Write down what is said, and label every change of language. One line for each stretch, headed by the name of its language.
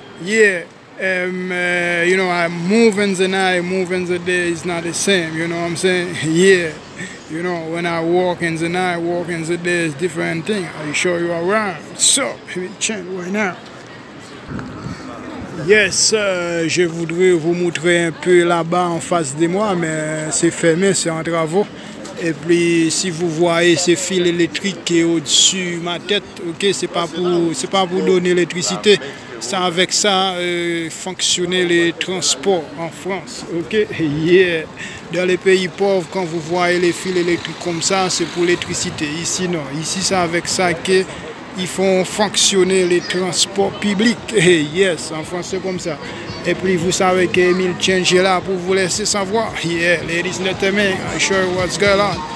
English: Yeah, you know, I move in the night, move in the day is not the same, you know what I'm saying? Yeah, you know, when I walk in the night, walk in the day is different thing. I show you around. So, we change right now.
French: Yes, je voudrais vous montrer un peu là-bas en face de moi, mais c'est fermé, c'est en travaux. Et puis si vous voyez ces fils électriques qui est au-dessus de ma tête, ok, c'est pas pour donner l'électricité, c'est avec ça fonctionner les transports en France, ok, yeah. Dans les pays pauvres, quand vous voyez les fils électriques comme ça, c'est pour l'électricité. Ici non, ici c'est avec ça que ils font fonctionner les transports publics, yes, en France c'est comme ça. Et puis vous savez que Emile Change est là pour vous laisser savoir.
English: Yeah, ladies and gentlemen, I show you what's going on.